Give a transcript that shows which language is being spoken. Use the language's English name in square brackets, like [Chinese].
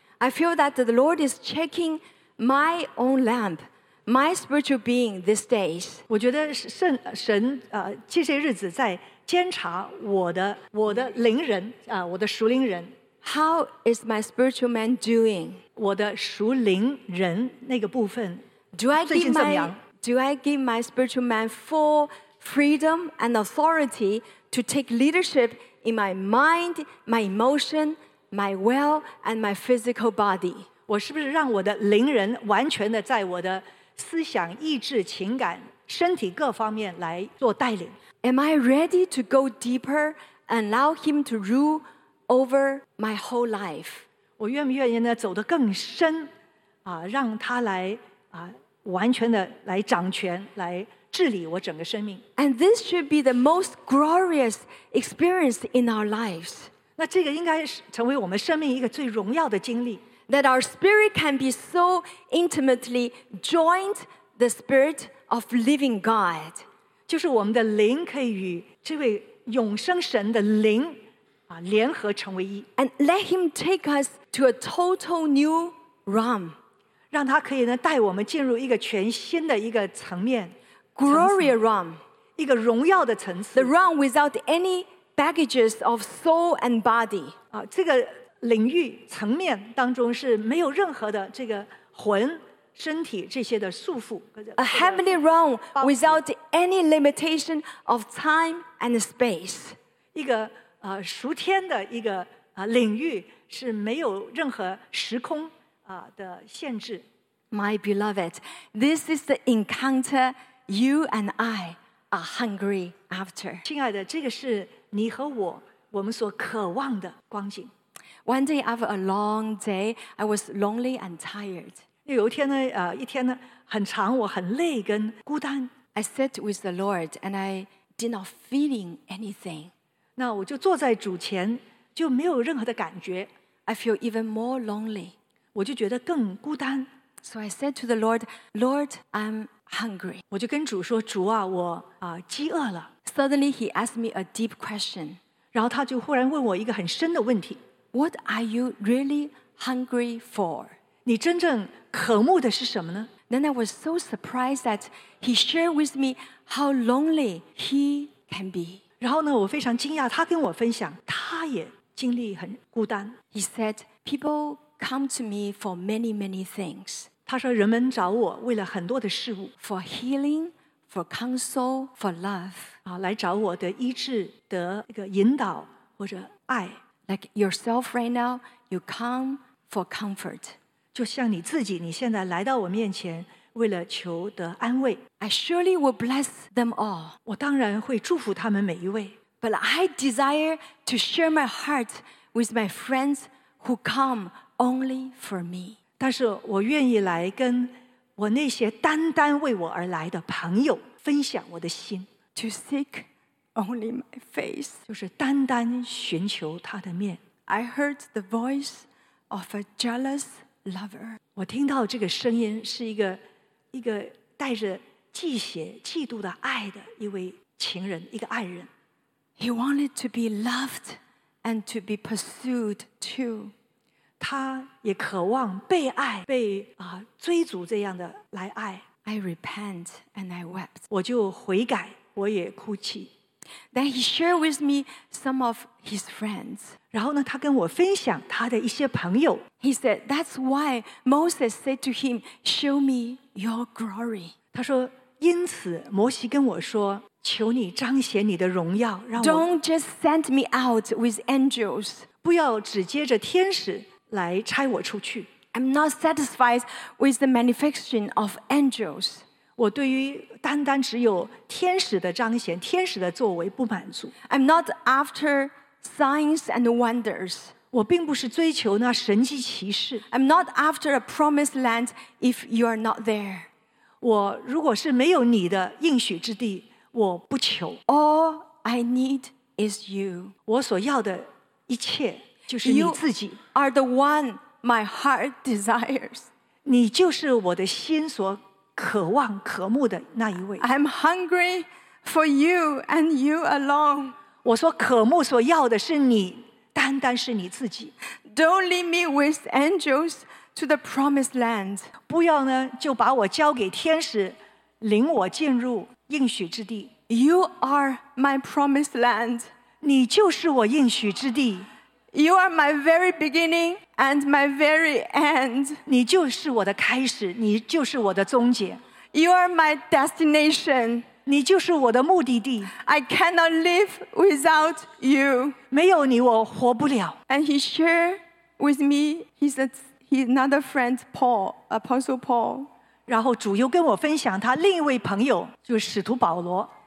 [English] I feel that the Lord is checking my own lamp, my spiritual being these days. [Chinese] 我觉得神这些日子在监察我的灵人我的属灵人。 [English] How is my spiritual man doing? [Chinese] 我的属灵人那个部分最近怎么样？ [English] Do I give my spiritual man full freedom and authority to take leadership in my mind, my emotion, my will, and my physical body? [Chinese] 我是不是让我的灵人完全的在我的思想、意志、情感、身体各方面来做带领？ [English] Am I ready to go deeper and allow him to rule over my whole life? [Chinese] 我愿不愿意呢走得更深让他来完全的来掌权，来治理我整个生命。 [English] And this should be the most glorious experience in our lives. [Chinese] 那这个应该成为我们生命一个最荣耀的经历。 [English] That our spirit can be so intimately joined the spirit of living God. [Chinese] 就是我们的灵可以与这位永生神的灵联合成为一。 [English] And let him take us to a total new realm. [Chinese] 让他可以呢带我们进入一个全新的一个层面 [English] ，glory realm， [Chinese] 一个荣耀的层次 [English] ，the realm without any baggages of soul and body。 [Chinese] 这个领域层面当中是没有任何的这个魂、身体这些的束缚。 [English] A heavenly realm without any limitation of time and space。 [Chinese] 一个属天的一个领域是没有任何时空。的限制。 [English] My beloved, this is the encounter you and I are hungry after. [Chinese] 亲爱的，这个是你和我们所渴望的光景。 [English] One day after a long day, I was lonely and tired. [Chinese] 有一天呢，一天呢，很长，我很累跟孤单。 [English] I sat with the Lord and I did not feeling anything. [Chinese] 那我就坐在主前，就没有任何的感觉。 [English] I feel even more lonely. [Chinese] 我就觉得更孤单。 [English] So I said to the Lord, Lord, I'm hungry. [Chinese] 我就跟主说，主啊，我饥饿了。 [English] Suddenly he asked me a deep question. [Chinese] 然后他就忽然问我一个很深的问题。 [English] What are you really hungry for? [Chinese] 你真正渴慕的是什么呢？ [English] Then I was so surprised that he shared with me how lonely he can be. [Chinese] 然后呢，我非常惊讶，他跟我分享，他也经历很孤单。 [English] He said, people. Come to me for many, many things. [Chinese] 他说人们找我为了很多的事物 [English] For healing, for counsel, for love. [Chinese] 来找我的医治的一个引导或者爱 [English] Like yourself right now, you come for comfort. [Chinese] 就像你自己你现在来到我面前为了求得安慰 [English] I surely will bless them all. [Chinese] 我当然会祝福他们每一位 [English] But I desire to share my heart with my friends who come. Only for me. [Chinese] 但是我愿意来跟我那些单单为我而来的朋友分享我的心。 [English] To seek only my face. [Chinese] 就是单单寻求他的面。 [English] I heard the voice of a jealous lover. [Chinese] 我听到这个声音是一个带着嫉邪、嫉妒的爱的一位情人，一个爱人。 [English] He wanted to be loved and to be pursued too. [Chinese] 他也渴望被爱被追逐这样的来爱 [English] I repent and I wept [Chinese] 我就悔改我也哭泣 [English] Then he shared with me some of his friends [Chinese] 然后呢他跟我分享他的一些朋友 [English] He said that's why Moses said to him show me your glory [Chinese] 他说因此摩西跟我说求你彰显你的荣耀让我 [English] Don't just send me out with angels [Chinese] 不要只接着天使来差我出去 [English] I'm not satisfied with the manifestation of angels [Chinese] 我对于单单只有天使的彰显天使的作为不满足 [English] I'm not after signs and wonders. [Chinese] 我并不是追求那神迹奇事。 [English] I'm not after a promised land if you are not there. [Chinese] 我如果是没有你的应许之地，我不求。 [English] All I need is you. [Chinese] 我所要的一切就是你自己。 [English] You are the one my heart desires. [Chinese] 你就是我的心所渴望渴慕的那一位。 [English] I'm hungry for you and you alone. [Chinese] 我所渴慕所要的是你，单单是你自己。 [English] Don't lead me with angels to the promised land. [Chinese] 不要呢，就把我交给天使，领我进入应许之地。 [English] You are my promised land. [Chinese] 你就是我应许之地。 [English] You are my very beginning and my very end. [Chinese] 你就是我的开始，你就是我的终结。 [English] You are my destination. [Chinese] 你就是我的目的地。 [English] I cannot live without you. [Chinese] 没有你我活不了。 [English] And he shared with me another friend, Paul, Apostle Paul. [Chinese] 然后主又跟我分享他另一位朋友，就是使徒保罗。